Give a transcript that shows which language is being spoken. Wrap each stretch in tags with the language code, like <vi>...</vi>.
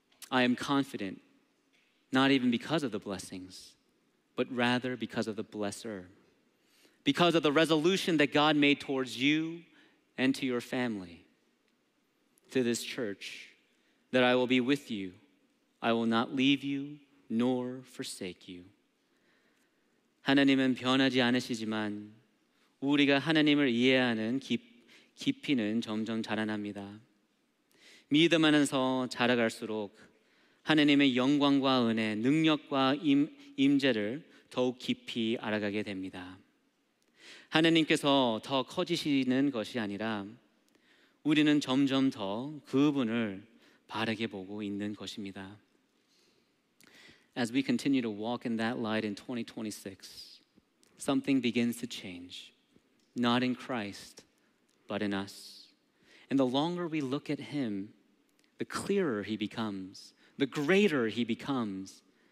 <en>I am confident, not even because of the blessings, but rather because of the blesser, because of the resolution that God made towards you and to your family, to this church, that I will be with you. I will not leave you nor forsake you.</en> <ko>하나님은 변하지 않으시지만 우리가 하나님을 이해하는 깊이는 점점 자라납니다. 믿음 안에서 자라갈수록 하나님의 영광과 은혜, 능력과 임재를 더욱 깊이 알아가게 됩니다. 하나님께서 더 커지시는 것이 아니라 우리는 점점 더 그분을 바르게 보고 있는 것입니다.</ko> <en>As we continue to walk in that light in 2026, something begins to change, not in Christ, but in us. And the longer we look at him, the clearer he becomes, the greater he becomes.</en>